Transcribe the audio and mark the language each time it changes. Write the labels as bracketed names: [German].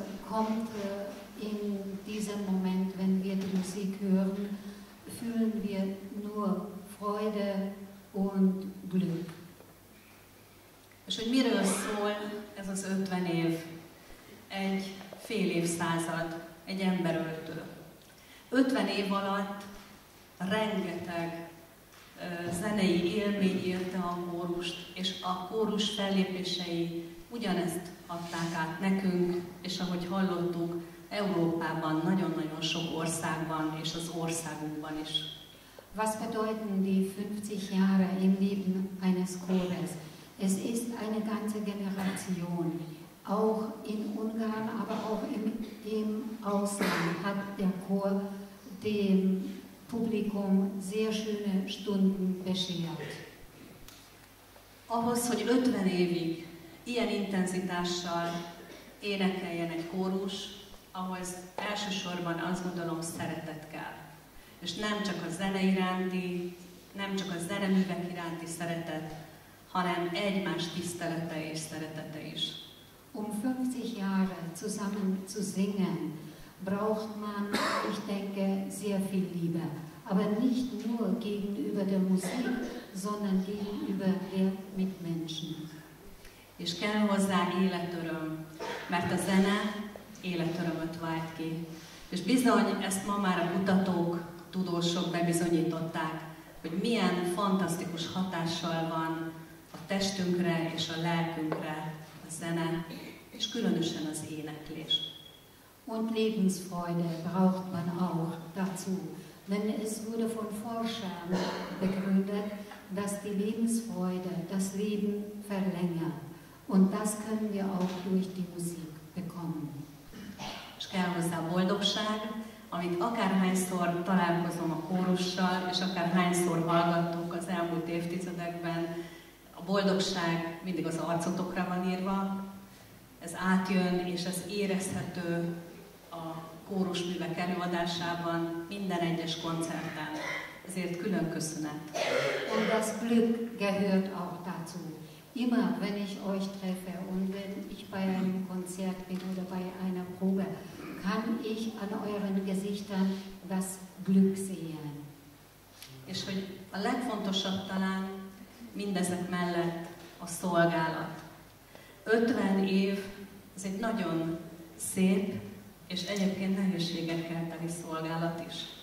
[German] kommt in diesem Moment, wenn wir die Musik hören, fühlen wir nur Freude und Glück. [Hungarian] És hogy miről szól ez az 50 év? Egy fél évszázad, egy ember öltő. 50 év alatt rengeteg zenei élmény érte a kórust, és a kórus fellépései ugyanezt adták át nekünk, és ahogy hallottuk, Európában, nagyon-nagyon sok országban és az országunkban is. [German] Was bedeuten die 50 Jahre im Leben eines Chores? Es ist eine ganze Generation. Auch in Ungarn, aber auch im Ausland hat der Chor dem Publikum sehr schöne Stunden beschert. [Hungarian] Ahhoz, hogy 50 évig ilyen intenzitással énekeljen egy kórus, ahhoz elsősorban azt gondolom szeretet kell. És nem csak a zene iránti, nem csak a zeneművek iránti szeretet, hanem egymás tisztelete és szeretete is. [German] 50 Jahre zusammen zu singen, braucht man, ich denke, sehr viel Liebe. aber nicht nur gegenüber der Musik, sondern gegenüber der Mitmenschen. [Hungarian] És kell hozzá életöröm, mert a zene életörömöt vált ki. És bizony, ezt ma már a kutatók, tudósok bebizonyították, hogy milyen fantasztikus hatással van a testünkre és a lelkünkre a zene, és különösen az éneklés. [German] Und Lebensfreude braucht man auch dazu. Denn es wurde von Forschern begründet, dass die Lebensfreude das Leben verlängert. Und das können wir auch durch die Musik bekommen. [Hungarian] És kell hozzá boldogság, amit akárhányszor találkozom a kórussal, és akárhányszor hallgattuk az elmúlt évtizedekben, a boldogság mindig az arcotokra van írva, ez átjön, és ez érezhető a kórusművek előadásában, minden egyes koncerten. Ezért külön köszönet. [German] Und das Glück gehört auch dazu. Immer wenn ich euch treffe und wenn ich bei einem Konzert bin oder bei einer Probe, kann ich an euren Gesichtern das Glück sehen. [Hungarian] És hogy a legfontosabb talán mindezek mellett a szolgálat. 50 év, ez egy nagyon szép és egyébként nehézségekkel teli szolgálat is.